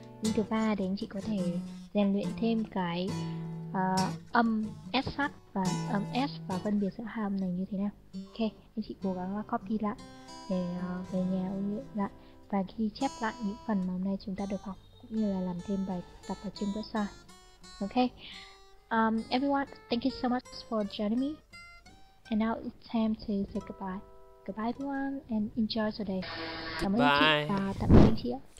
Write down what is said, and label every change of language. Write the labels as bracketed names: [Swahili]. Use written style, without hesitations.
[Vietnamese] Link thứ ba thì anh chị có thể rèn luyện thêm cái âm S sắc và âm S và phân biệt giữa hai âm này như thế nào. Ok, anh chị cố gắng copy lại để về nhà ôn luyện lại và ghi chép lại những phần mà hôm nay chúng ta được học, cũng như là làm thêm bài tập ở trên website. Ok. [English] Everyone, thank you so much for joining me. And now it's time to say goodbye. Goodbye everyone and enjoy the day. [Vietnamese] Cảm ơn chị và tạm biệt chị.